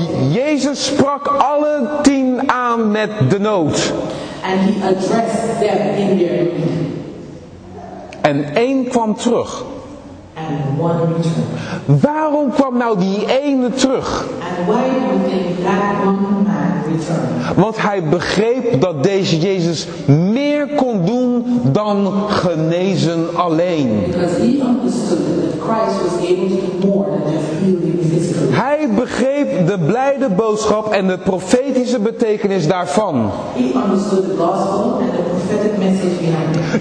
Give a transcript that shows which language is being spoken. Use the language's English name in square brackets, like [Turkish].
[Dutch] Jezus sprak alle 10 aan met de nood. [English] And he addressed them in their need. [Dutch] En één kwam terug. [English] and one return. [Dutch] Waarom kwam nou die ene terug? [English] And why do you think that one man returned? [Dutch] Want hij begreep dat deze Jezus meer kon doen dan genezen alleen. [English] Because he understood that Christ was able to do more than just heal you physically. [Dutch] Hij begreep de blijde boodschap en de profetische betekenis daarvan. [English] He understood the gospel and the prophetic message behind it.